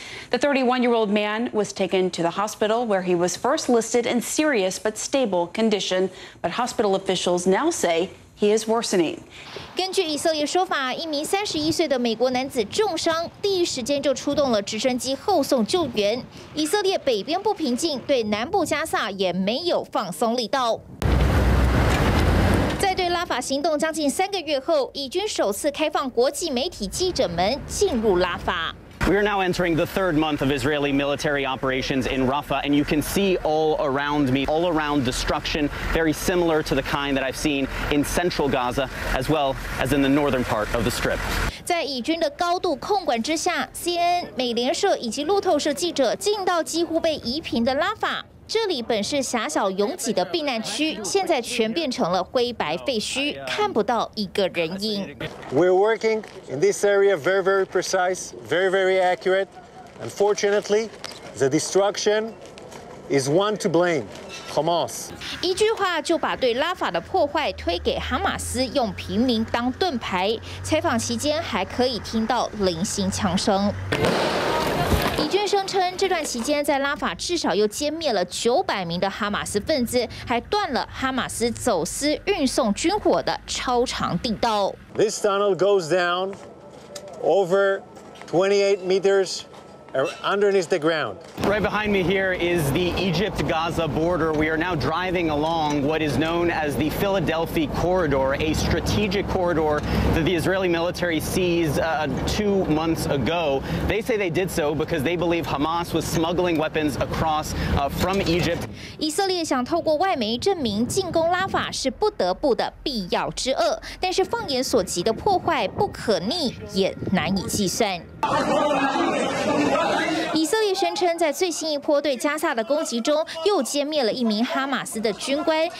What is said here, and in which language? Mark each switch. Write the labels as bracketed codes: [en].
[en] The 31-year-old man was taken to the hospital where he was first listed in serious but stable condition. But hospital officials now say he is worsening. [zh] 根据以色列说法，一名31岁的美国男子重伤，第一时间就出动了直升机后送救援。以色列北边不平静，对南部加萨也没有放松力道。在对拉法行动将近三个月后，以军首次开放国际媒体记者们进入拉法。 [en] We are now entering the third month of Israeli military operations in Rafah, and you can see all around me, all around destruction, very similar to the kind that I've seen in central Gaza, as well as in the northern part of the Strip. [zh] 在以军的高度控管之下 ，CNN、美联社以及路透社记者进到几乎被夷平的拉法。这里本是狭小拥挤的避难区，现在全变成了灰白废墟，看不到一个人影。 [en] We're working in this area very, very precise, very, very accurate. Unfortunately, the destruction is one to blame, Hamas. [zh] 一句话就把对拉法的破坏推给哈马斯，用平民当盾牌。采访期间还可以听到零星枪声。以军声称，这段期间在拉法至少又歼灭了900名的哈马斯分子，还断了哈马斯走私运送军火的超长地道。 [en] This tunnel goes down over 28 meters underneath the ground. Right behind me here is the Egypt-Gaza border. We are now driving along what is known as the Philadelphia Corridor, a strategic corridor that the Israeli military seized 2 months ago. They say they did so because they believe Hamas was smuggling weapons across from Egypt. [zh] 以色列想透过外媒证明进攻拉法是不得不的必要之恶，但是放眼所及的破坏不可逆，也难以计算。以色列声称，在最新一波对加萨的攻击中，又歼灭了一名哈马斯的军官。